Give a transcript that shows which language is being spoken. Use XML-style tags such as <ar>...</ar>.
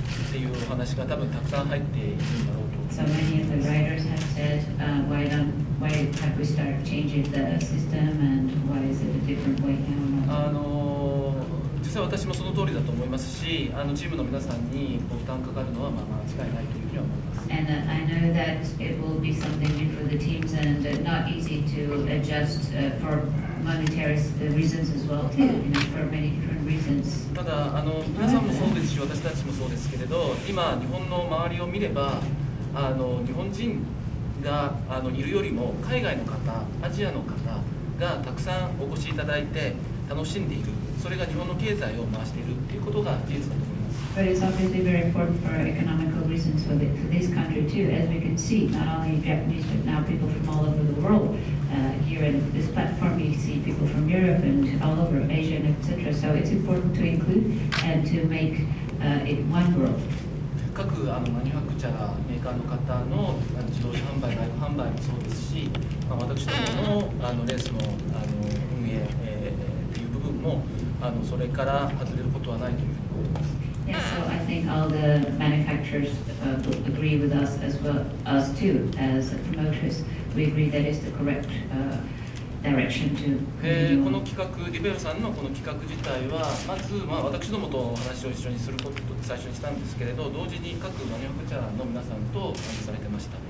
<en>So many of the riders have said, why have we started changing the system and why is it a different way now?</en> <ja>実は私もその通りだと思いますし、チームの皆さんにご負担かかるのは間違いないというふうには思います。</ja> <en>And I know that it will be something new for the teams and not easy to adjust for monetary reasons as well, too, you know, for many different reasons. this.</en> <ja>ただ、あの、皆さんもそうですし、私たちもそうですけれど、今、日本の周りを見れば、あの、日本人が、あの、いるよりも、海外の方、アジアの方がたくさんお越しいただいて、楽しんでいる。それが日本の経済を回しているということが事実だと思います。</ja> <en>But it's obviously very important for economical reasons for this country too. As we can see, not only Japanese, but now people from all over the world. Here in this platform, we see people from Europe and all over Asia, and etc. So it's important to include and to make it one world.</en> <ja>各あのマニュファクチャーメーカーの方の自動車販売、外部販売もそうですし、まあ、私どものあのレースのあの運営、という部分もあのそれから外れることはないというふうに思います。</ja> <en>Yeah, so I think all the manufacturers agree with us as well, us too, as promoters. We agree that is the correct direction to continue.</en> <ja>この企画、リベロさんのこの企画自体は、まず、まあ、私どもと話を一緒にすることと最初にしたんですけれど、同時に各マニュアクチャーの皆さんと話されてました。</ja>